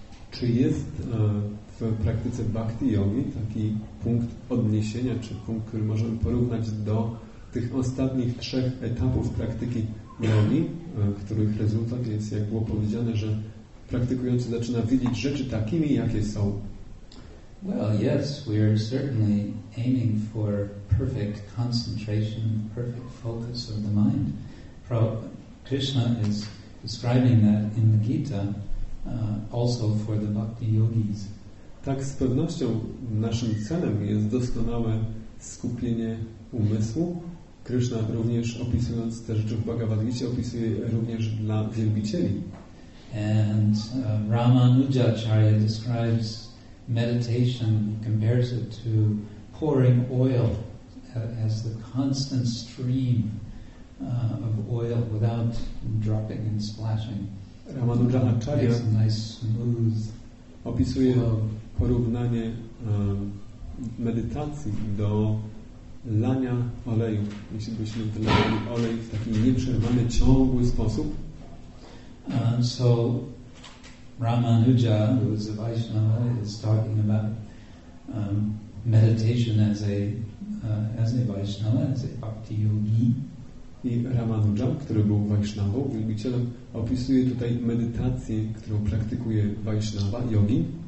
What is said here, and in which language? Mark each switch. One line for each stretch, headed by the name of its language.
Polish: Czy jest w praktyce Bhakti Yogi taki punkt odniesienia, czy punkt, który możemy porównać do tych ostatnich trzech etapów praktyki jogi, których rezultat jest, jak było powiedziane, że praktykujący zaczyna widzieć rzeczy takimi, jakie są.
English: Well, yes, we are certainly aiming for perfect concentration, perfect focus of the mind. Krishna is describing that in the Gita, also for the bhakti yogis.
Polish: Tak, z pewnością naszym celem jest doskonałe skupienie umysłu. Krishna również, opisując te rzeczy w Bhagavad Gita, opisuje również dla wielbicieli.
English: And Ramanujacharya describes meditation, compares it to pouring oil as the constant stream of oil without dropping and splashing. Ramanujacharya nice smooth
Polish: opisuje porównanie medytacji do lania oleju. Jeśli byśmy wylewali olej w taki nieprzerwany, ciągły sposób.
English: So Ramanuja, who is a Vaishnava, is talking about meditation as a Vaishnava, as a bhakti yogi.
Polish: I Ramanuja, który był Vaishnavą, wielbicielem, opisuje tutaj medytację, którą praktykuje Vaishnava, yogi.